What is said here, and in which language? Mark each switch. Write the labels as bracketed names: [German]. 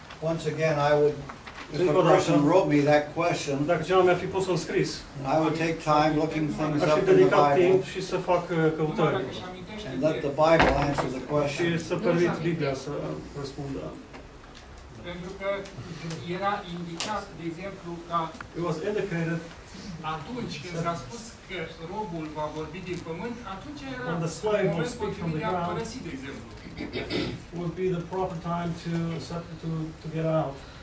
[English] Once again, I would, if a person wrote me that question, [Romanian] dacă cineva mi-a fi pus un scris, [English] I would take time looking things up in the Bible [Romanian] și să fac căutări. [English] And let the Bible answer the question. [Romanian] Și să permit Biblia să răspundă. Pentru că era indicat, de exemplu, ca [English] it was indicated [Romanian] atunci când s-a spus că robul va vorbi din pământ, atunci era [English] the slave will speak from the ground, would be the proper time to get out.